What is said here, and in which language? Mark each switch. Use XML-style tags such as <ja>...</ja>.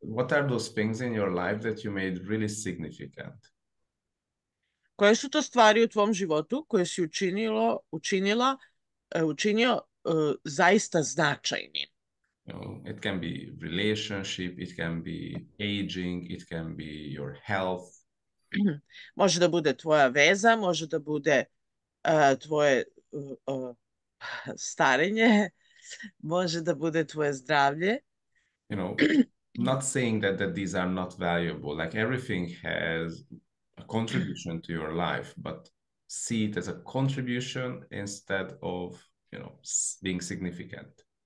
<en>What are those things in your life that you made really significant?</en> <sr>Koje su to stvari u tvom životu koje si učinilo, učinila, učinio zaista značajnim?</sr> <en>You know, it can be relationship, it can be aging, it can be your health.</en> <sr>Može da bude tvoja veza, može da bude tvoje starenje, može da bude tvoje zdravlje.</sr> <en>You know, not saying that, that these are not valuable, like everything has a contribution to your life, but see it as a contribution instead of, you know, being significant.</en>